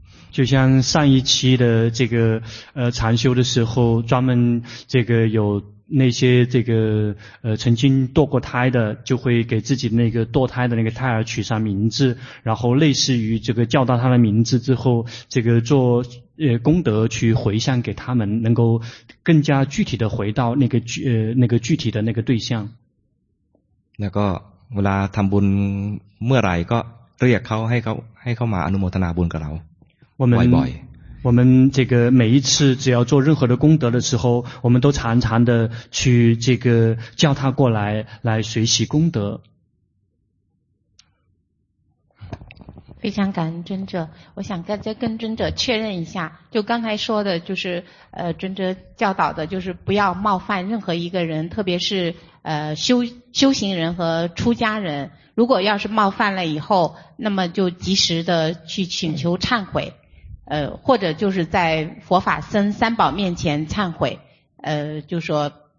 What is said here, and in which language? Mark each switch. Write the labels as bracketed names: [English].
[Chinese] 就像上一期的这个禅修的时候专门这个有那些这个曾经堕过胎的就会给自己那个堕胎的那个胎儿取上名字然后类似于这个叫到他的名字之后这个做功德去回向给他们能够更加具体的回到那个具体的那个对象那个 [Thai] เวลาทำบุญเมื่อไหร่ก็เรียกเขาให้เขามาอนุโมทนาบุญกับเราบ่อย [Chinese] ๆ我们这个每一次只要做任何的功德的时候我们都常常的去这个叫他过来来随喜功德非常感恩尊者我想再跟尊者确认一下就刚才说的就是尊者教导的就是不要冒犯任何一个人特别是修行人和出家人如果要是冒犯了以后那么就及时的去请求忏悔或者就是在佛法僧三宝面前忏悔就说